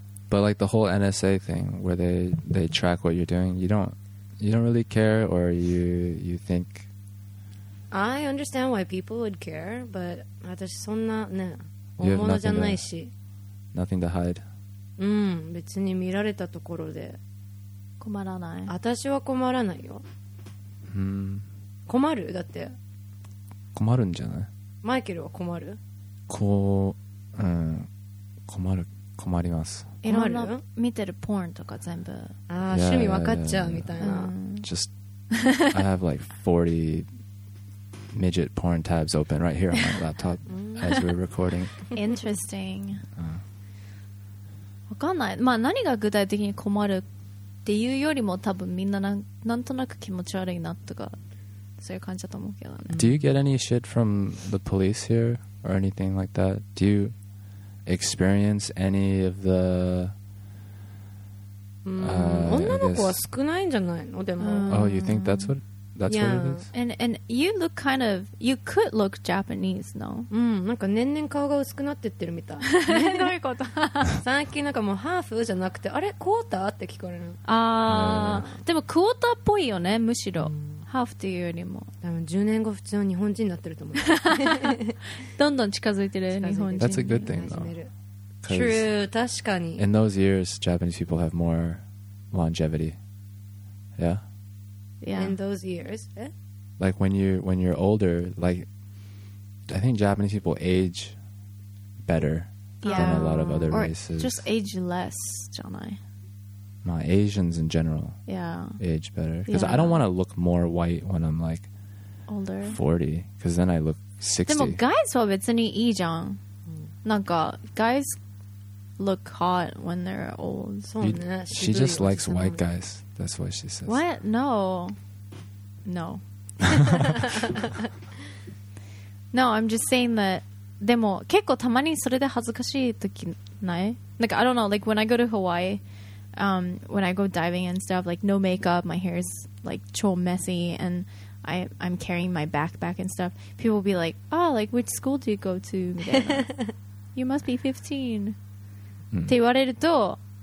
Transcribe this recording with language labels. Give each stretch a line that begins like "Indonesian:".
English: But like the whole NSA thing where they track what you're doing, you don't really care, or you think... I understand why people would care, but I just so not ne. You have nothing to hide.
Japanese: うん、別に見られたところで困らない。私は困らないよ。困る？だって。困るんじゃない？マイケルは困る？こう、困る、困ります。いろんな見てるポーンとか全部。ああ、趣味分かっちゃうみたいな。
English: Just, I have like 40 midget porn tabs open right here on my laptop as we're recording.
Japanese: Interesting. わかんない。まあ何が具体的に困るっていうよりも多分みんななんとなく気持ち悪いなとかそういう感じだと思うけどね。
English: Do you get any shit from the police here or anything like that? Do you experience any of the...
Japanese: 女の子は少ないんじゃないのでも。
English: Oh, you think that's what... That's yeah. what it is. And you look kind of... You could look Japanese, no?
Japanese: なんか年々顔が薄くなってってるみたい。どういうこと？最近なんかもうハーフじゃなくて、あれ？クォーター？って聞かれる。でもクォーターっぽいよね、むしろ。ハーフっていうよりも。多分10年後普通の日本人になってると思う。どんどん近づいてる日本人。
English: That's a good thing, though.
Japanese: True, 確かに。
English: In those years, Japanese people have more longevity. Yeah? Yeah. In those years, like when you're older, like I think Japanese people age better than a lot of other races. Or just age less, Jonai. My Asians in general, age better because I don't want to look more white when I'm like older 40, because then I look 60.
Japanese: でも guys は別にいいじゃん。なんか
English: guys look hot when they're old. She just likes white guys. That's what she says. What? No. No. No, I'm just saying that...
Japanese: でも結構たまにそれで恥ずかしい時ない?
English: Like, I don't know. Like, when I go to Hawaii, when I go diving and stuff, like, no makeup, my hair is, like,
Japanese: 超
English: messy, and I'm carrying my backpack and stuff. People will be like, oh, like, which school do you go to? You must be 15.
Japanese: って言われると...